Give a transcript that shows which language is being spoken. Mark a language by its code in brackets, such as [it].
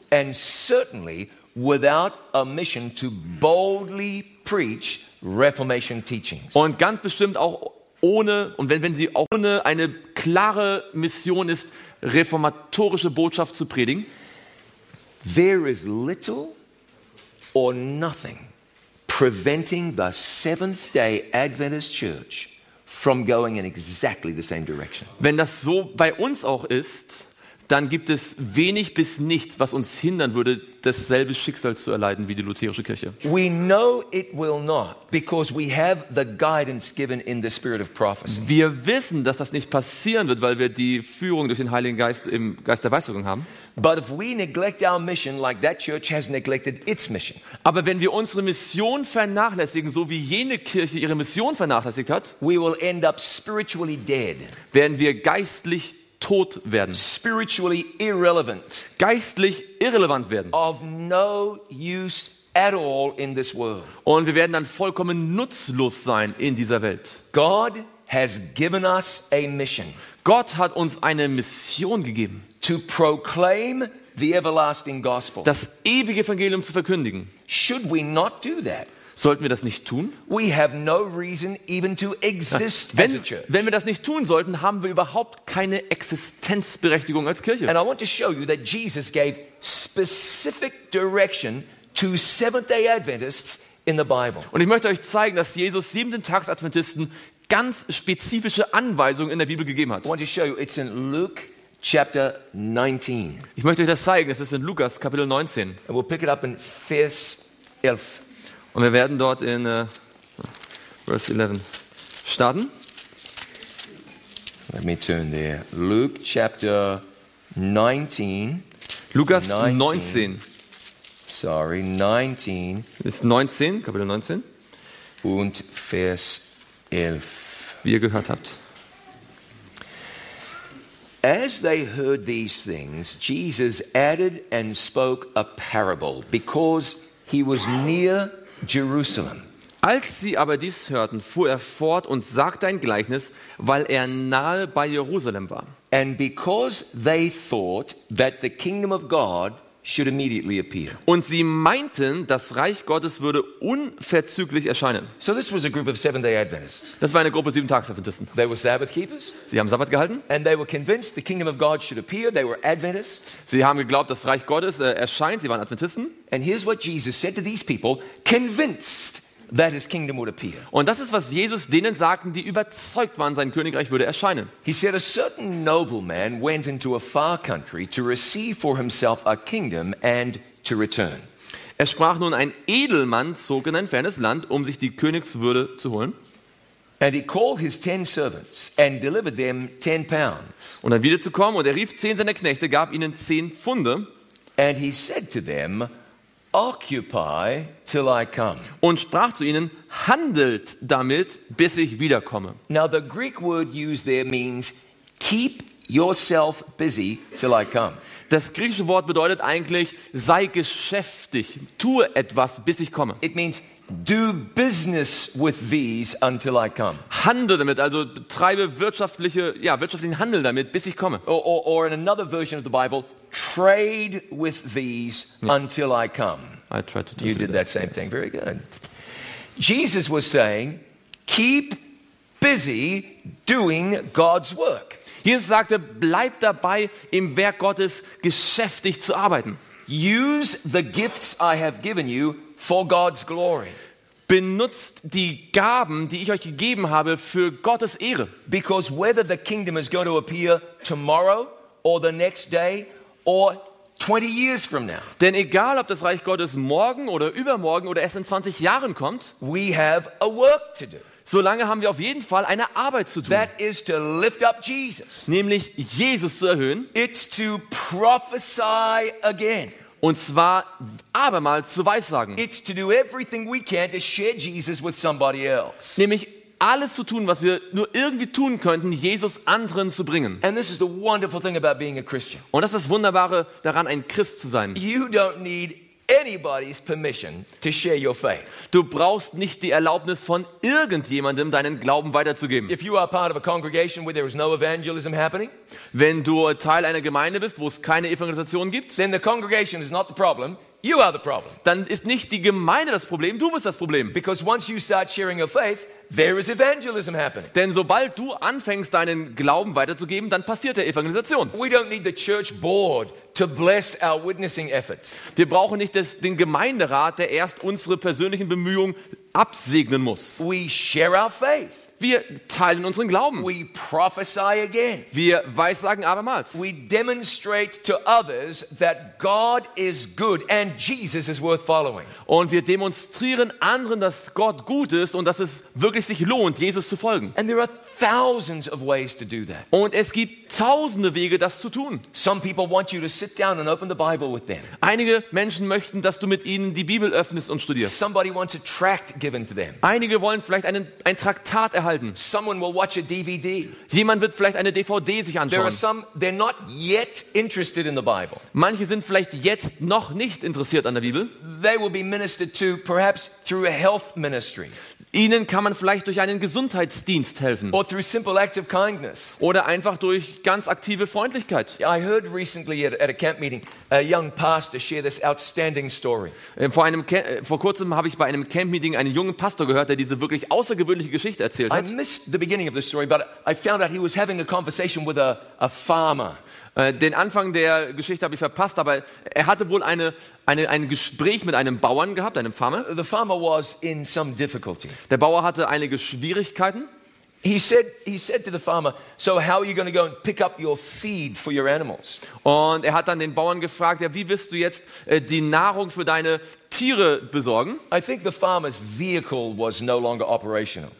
[en] and certainly without a mission to boldly preach Reformation teachings. [de] Und ganz bestimmt auch ohne und wenn sie auch ohne eine klare Mission ist, reformatorische Botschaft zu predigen. [en] There is little or nothing preventing the Seventh-day Adventist Church from going in exactly the same direction. [de] Wenn das so bei uns auch ist, dann gibt es wenig bis nichts, was uns hindern würde, dasselbe Schicksal zu erleiden wie die lutherische Kirche. [en] We know it will not, because we have the guidance given in the spirit of prophecy. [de] Wir wissen, dass das nicht passieren wird, weil wir die Führung durch den Heiligen Geist im Geist der Weissagung haben. [en] But if we neglect our mission like that church has neglected its mission. [de] Aber wenn wir unsere Mission vernachlässigen, so wie jene Kirche ihre Mission vernachlässigt hat, [en] we will end up spiritually dead. [de] Werden wir geistlich tot werden. [en] Spiritually irrelevant. [de] Geistlich irrelevant werden. [en] Of no use at all in this world. [de] Und wir werden dann vollkommen nutzlos sein in dieser Welt. [en] God has given us a mission. [de] Gott hat uns eine Mission gegeben. [en] To proclaim the everlasting gospel. [de] Das ewige Evangelium zu verkündigen. [en] Should we not do that? [de] Sollten wir das nicht tun? [en] We have no reason even to exist as a church. [de] Wenn wir das nicht tun sollten, haben wir überhaupt keine Existenzberechtigung als Kirche. [en] And I want to show you that Jesus gave specific direction to Seventh-day Adventists in the Bible. [de] Und ich möchte euch zeigen, dass Jesus Siebenten-Tags-Adventisten ganz spezifische Anweisungen in der Bibel gegeben hat. [en] I want to show you, it's in Luke chapter 19. [de] Ich möchte euch das zeigen, es ist in Lukas Kapitel 19. [en] And we'll pick it up in Vers 11. [de] Und wir werden dort in Vers 11 starten. [en] Let me turn there. Luke chapter 19. [de] Lukas 19. [en] Sorry, 19. [de] Ist 19, Kapitel 19. und Vers 11. Wie ihr gehört habt. [en] As they heard these things, Jesus added and spoke a parable, because he was near Jerusalem. [de] Als sie aber dies hörten, fuhr er fort und sagte ein Gleichnis, weil er nahe bei Jerusalem war. [en] And because they thought that the kingdom of God should immediately appear. [de] Und sie meinten, das Reich Gottes würde unverzüglich erscheinen. [en] So this was a group of Seventh-day Adventists. [de] Das war eine Gruppe Siebentagsadventisten. [en] They were Sabbath keepers. [de] Sie haben Sabbat gehalten. [en] And they were convinced the kingdom of God should appear. They were Adventists. [de] Sie haben geglaubt, das Reich Gottes erscheint. Sie waren Adventisten. [en] And here's what Jesus said to these people, convinced that his kingdom would appear. [de] Und das ist, was Jesus denen sagten, die überzeugt waren, sein Königreich würde erscheinen. [en] He said, a certain nobleman went into a far country to receive for himself a kingdom and to return. [de] Er sprach nun, ein Edelmann zog in ein fernes Land, um sich die Königswürde zu holen. [en] And he called his 10 servants and delivered them 10 pounds. [de] Und dann wiederzukommen, und er rief 10 seiner Knechte, gab ihnen 10 Pfunde. [en] And he said to them, occupy till I come. [de] Und sprach zu ihnen, handelt damit, bis ich wiederkomme. [en] Now the Greek word used there means keep yourself busy till I come. [de] Das griechische Wort bedeutet eigentlich, sei geschäftig, tue etwas, bis ich komme. [en] It means do business with these until I come. [de] Handle damit, also betreibe wirtschaftlichen Handel damit, bis ich komme. [en] Or in another version of the Bible, trade with these until I come. I tried to do that. You did that same thing. Very good. Jesus was saying, keep busy doing God's work. [de] Jesus sagte, bleib dabei, im Werk Gottes geschäftig zu arbeiten. [en] Use the gifts I have given you for God's glory. [de] Benutzt die Gaben, die ich euch gegeben habe, für Gottes Ehre. [en] Because whether the kingdom is going to appear tomorrow or the next day, or 20 years from now. [de] Denn egal, ob das Reich Gottes morgen oder übermorgen oder erst in 20 Jahren kommt, [en] we have a work to do. [de] Solange haben wir auf jeden Fall eine Arbeit zu tun. [en] That is to lift up Jesus. [de] Nämlich Jesus zu erhöhen. [en] It's to prophesy again. [de] Und zwar abermals zu weissagen. [en] It's to do everything we can to share Jesus with somebody else. [de] Nämlich alles zu tun, was wir nur irgendwie tun könnten, Jesus anderen zu bringen. [en] And this is the wonderful thing about being a Christian. [de] Und das ist das Wunderbare daran, ein Christ zu sein. [en] You don't need anybody's permission to share your faith. [de] Du brauchst nicht die Erlaubnis von irgendjemandem, deinen Glauben weiterzugeben. [en] If you are part of a congregation where there is no evangelism happening, [de] wenn du Teil einer Gemeinde bist, wo es keine Evangelisation gibt, [en] then the congregation is not the problem. You are the problem. [de] Dann ist nicht die Gemeinde das Problem, du bist das Problem. [en] Because once you start sharing your faith, there is evangelism happening. [de] Denn sobald du anfängst, deinen Glauben weiterzugeben, dann passiert der Evangelisation. [en] We don't need the church board to bless our witnessing efforts. [de] Wir brauchen nicht den Gemeinderat, der erst unsere persönlichen Bemühungen absegnen muss. [en] We share our faith. [de] Wir teilen unseren Glauben. [en] We prophesy again. [de] Wir weissagen abermals. [en] We demonstrate to others that God is good and Jesus is worth following. [de] Und wir demonstrieren anderen, dass Gott gut ist und dass es wirklich sich lohnt, Jesus zu folgen. [en] And there are thousands of ways to do that. [de] Und es gibt tausende Wege, das zu tun. [en] Some people want you to sit down and open the Bible with them. [de] Einige Menschen möchten, dass du mit ihnen die Bibel öffnest und studierst. [en] Somebody wants a tract given to them. [de] Einige wollen vielleicht ein Traktat erhalten. [en] Someone will watch a DVD. [de] Jemand wird vielleicht eine DVD sich anschauen. [en] There are some, they're not yet interested in the Bible. [de] Manche sind vielleicht jetzt noch nicht interessiert an der Bibel. [en] They will be ministered to perhaps through a health ministry. [de] Ihnen kann man vielleicht durch einen Gesundheitsdienst helfen. [en] Or through simple acts of kindness. [de] Oder einfach durch ganz aktive Freundlichkeit. [en] I heard recently at a camp meeting a young pastor share this outstanding story. [de] Vor kurzem habe ich bei einem Camp Meeting einen jungen Pastor gehört, der diese wirklich außergewöhnliche Geschichte erzählt hat. [en] I missed the beginning of the story, but I found out he was having a conversation with a farmer. [de] Den Anfang der Geschichte habe ich verpasst, aber er hatte wohl ein Gespräch mit einem Bauern gehabt, einem Farmer. [en] The farmer was in some difficulty. [de] Der Bauer hatte einige Schwierigkeiten. [en] He said to the farmer, so how are you going to go and pick up your feed for your animals? [de] Und er hat dann den Bauern gefragt, ja, wie wirst du jetzt die Nahrung für deine Tiere besorgen? [en] I think the farmer's vehicle was no longer operational.